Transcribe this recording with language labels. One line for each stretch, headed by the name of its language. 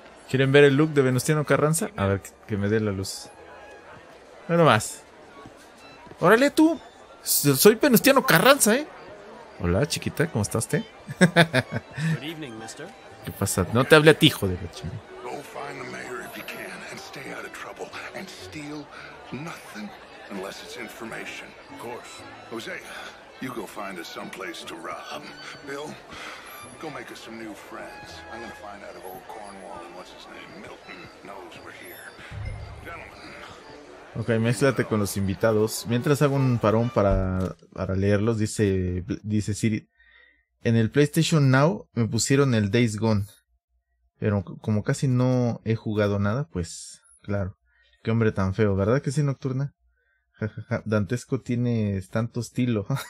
Spanish: ¿Quieren ver el look de Venustiano Carranza? A ver, que me dé la luz. Bueno, más. ¡Órale, tú! Soy Venustiano Carranza, ¿eh? Hola, chiquita, ¿cómo estás, te?
English: Good evening, mister.
Spanish: ¿Qué pasa? No te hable a ti, hijo de la chingada.
English: Go find the mayor if you can and stay out of trouble and steal nothing unless it's information. Of course. Jose, you go find us someplace to rob. Bill, go make us some new friends. I'm gonna find out if old Cornwall and what's his name, Milton, knows we're here. Gentlemen.
Spanish: Ok, mézclate con los invitados. Mientras hago un parón para leerlos, dice Siri. En el PlayStation Now me pusieron el Days Gone. Pero como casi no he jugado nada, pues claro. Qué hombre tan feo, ¿verdad que sí, Nocturna? Jajaja, Dantesco tiene tanto estilo.